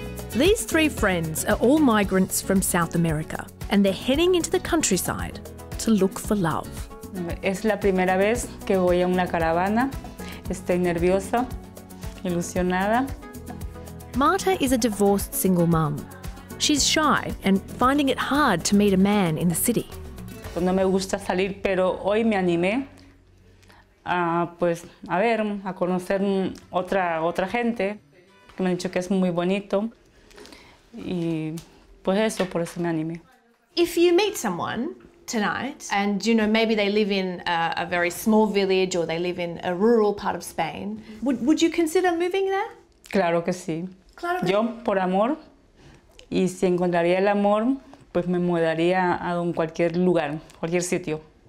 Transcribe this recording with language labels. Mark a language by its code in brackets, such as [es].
[en] These three friends are all migrants from South America and they're heading into the countryside to look for love. [es] Es la primera vez que voy a una caravana. Estoy nerviosa, ilusionada. [en] Marta is a divorced single mum. She's shy and finding it hard to meet a man in the city. [es] No me gusta salir, pero hoy me animé a conocer otra gente. Me han dicho que es muy bonito. Y pues eso, por eso me animé. [en] If you meet someone tonight and, you know, maybe they live in a very small village or they live in a rural part of Spain, would you consider moving there? [es] Claro que sí. Claro que yo, por amor, y si encontraría el amor, pues me mudaría a cualquier lugar, cualquier sitio.